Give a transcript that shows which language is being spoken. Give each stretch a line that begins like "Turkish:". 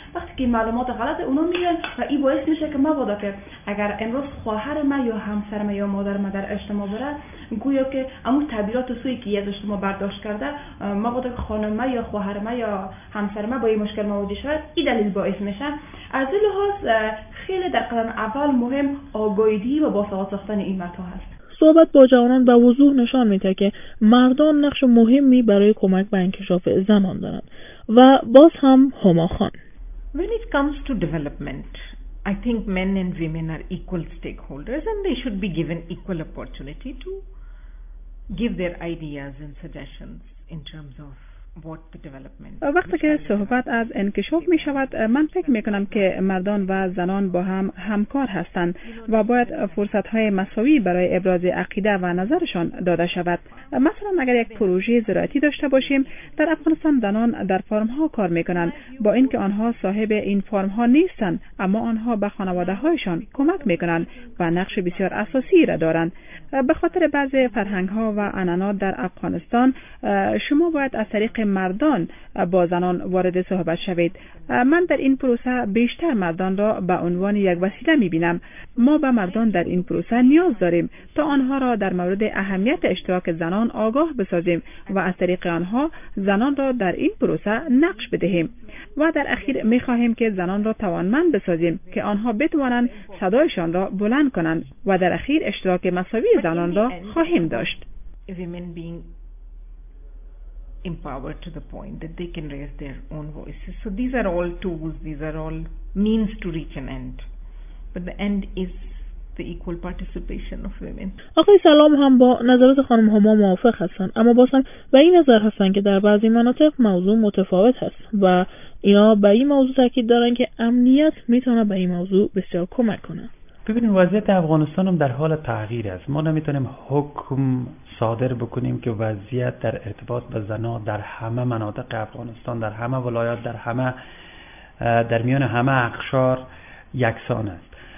Persian: وقتی که معلومات غلط اونا میگیرن و این باعث میشه که مبادا که اگر امروز خواهر من یا همسر من یا مادر من در اجتماع بره گویا که امون تعبیرات سوی که یه از اجتماع برداشت کرده مبادا که خانم من یا خواهر من یا همسر من با این مشکل مواجه شود این دلیل باعث میشه. از این لحاظ خیلی در قدم اول مهم آگاهی دهی و باسواد ساختن این مردها هست. صحبت با جوانان به وضوح نشان میده که مردان نقش مهمی برای کمک به انکشاف زنان دارند. و باز هم هما خان:
English: When it comes to development, I think men and women are equal stakeholders and they should be given equal opportunity to give their ideas and suggestions in terms of
Persian: وقتی که صحبت از انکشاف می شود من فکر می کنم که مردان و زنان با هم همکار هستند و باید فرصت های مساوی برای ابراز عقیده و نظرشان داده شود. مثلا اگر یک پروژه زراعتی داشته باشیم، در افغانستان زنان در فارم ها کار می کنند، با اینکه آنها صاحب این فارم ها نیستند اما آنها به خانواده هایشان کمک می کنند و نقش بسیار اساسی را دارند. به خاطر بعضی فرهنگ ها و عنعنات در افغانستان شما باید از طریق مردان با زنان وارد صحبت شوید. من در این پروسه بیشتر مردان را به عنوان یک وسیله می‌بینم. ما به مردان در این پروسه نیاز داریم تا آنها را در مورد اهمیت اشتراک زنان آگاه بسازیم و از طریق آنها زنان را در این پروسه نقش بدهیم و در اخیر می‌خواهیم که زنان را توانمند بسازیم که آنها بتوانند صدایشان را بلند کنند و در اخیر اشتراک مساوی زنان را خواهیم داشت.
English: Empowered to the point that they can raise their own voices. So these are all tools, these are all means to reach an end. But the end is the equal participation of women.
Persian: آقای سلام، هم با نظرات خانم هما موافق هستن اما باسم و این نظر هستن که در بعضی مناطق موضوع متفاوت هست و اینا به این موضوع تاکید دارن که امنیت میتونه به این موضوع بسیار کمک کنه. ببینید وضعیت افغانستان هم در حال تغییر است. ما نمیتونیم حکم صادر بکنیم که وضعیت در ارتباط به زنها در همه مناطق افغانستان، در همه ولایات، در همه در میان همه اقشار یکسان است.